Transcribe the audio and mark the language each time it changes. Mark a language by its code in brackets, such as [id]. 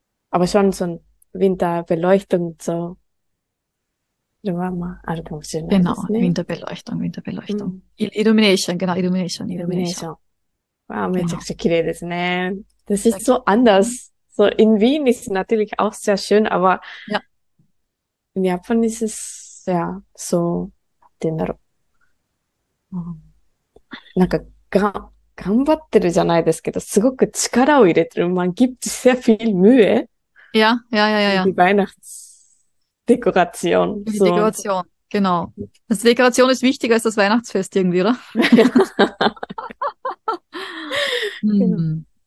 [de] aber schon so ein Winterbeleuchtung so. Da war mal also schönes, Genau, ist ne? Winterbeleuchtung, Winterbeleuchtung. Illumination, genau, Illumination, Illumination. Illumination. Wow, Genau. das, ne? Das Sehr ist so cool. anders. So in Wien ist es natürlich auch sehr schön, aber Ja. in Japan ist es ja so den [ja] なんか頑張ってるじゃないですけど、すごく力を入れてる。 [de] Man gibt sehr viel Mühe in die Weihnachtsdekoration. Für die Dekoration, genau. Also Dekoration ist wichtiger als das Weihnachtsfest irgendwie, oder? Genau.